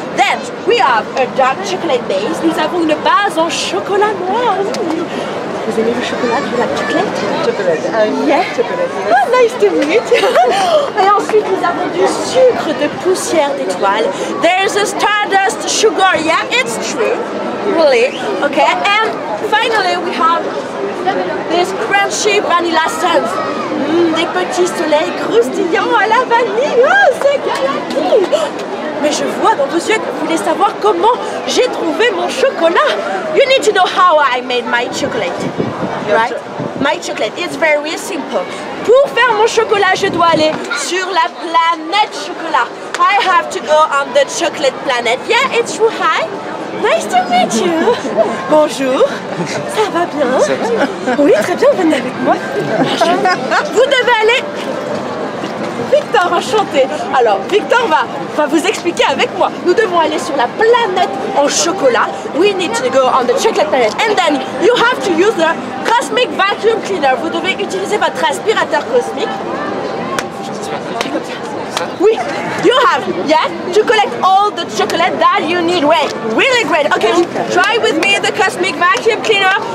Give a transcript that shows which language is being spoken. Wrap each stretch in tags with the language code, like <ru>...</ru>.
<en>Then, we have a dark chocolate base.</en> <fr>Nous avons une base en chocolat noir. Vous aimez le chocolat, la chocolate?</fr> <en>Chocolate, yes. Oh, nice to meet you.</en> <fr>Et ensuite, nous avons du sucre de poussière d'étoile.</fr> <en>There's a stardust sugar, yeah, it's true. Really, okay. And finally, we have this crunchy vanilla scent.</en> <fr>Des petits soleils croustillants à la vanille. Oh, c'est galactique. Mais je vois dans vos yeux que vous voulez savoir comment j'ai trouvé mon chocolat.</fr> <en>You need to know how I made my chocolate, right? My chocolate, it's very simple.</en> <fr>Pour faire mon chocolat, je dois aller sur la planète chocolat.</fr> <en>I have to go on the chocolate planet. Yeah, it's true, hi. Nice to meet you.</en> <fr>Bonjour. Ça va bien? Ça va. Oui, très bien, venez avec moi. Vous devez aller... Victor, enchanté. Alors, Victor va vous expliquer avec moi. Nous devons aller sur la planète en chocolat.</fr> <en>We need to go on the chocolate planet. And then, you have to use the cosmic vacuum cleaner.</en> <fr>Vous devez utiliser votre aspirateur cosmique.</fr> <en>Oui, you have, yeah, to collect all the chocolate that you need. Wait, really great. Okay, try with me the cosmic vacuum cleaner.</en>